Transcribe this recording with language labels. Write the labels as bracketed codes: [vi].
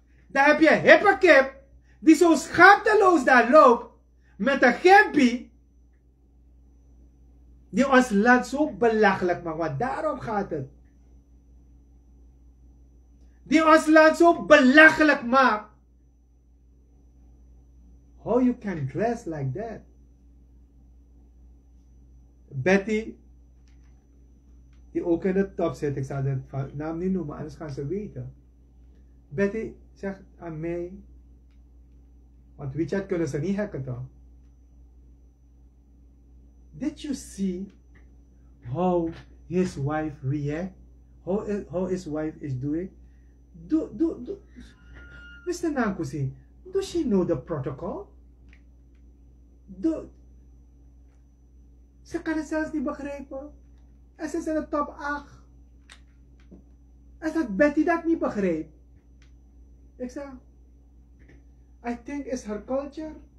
[nl] Dan heb je hippe kip. Die zo schaamteloos daar loopt. Met een gempie. Die ons land zo belachelijk maakt. Want daarom gaat het. Die ons land zo belachelijk maakt. [en] How you can dress like that? [nl] Betty. Die ook in de top zit. Ik zal de naam niet noemen. Anders gaan ze weten. Betty zegt aan mij. Want WeChat kunnen ze niet hacken toch? [en] Did you see how his wife react? How his wife is doing? Do Mr. Nankusi, does she know the protocol? [nl] Ze kan het zelfs niet begrijpen. En ze is in de top 8. En dat Betty dat niet begreep. Ik zeg. [en] I think it's her culture.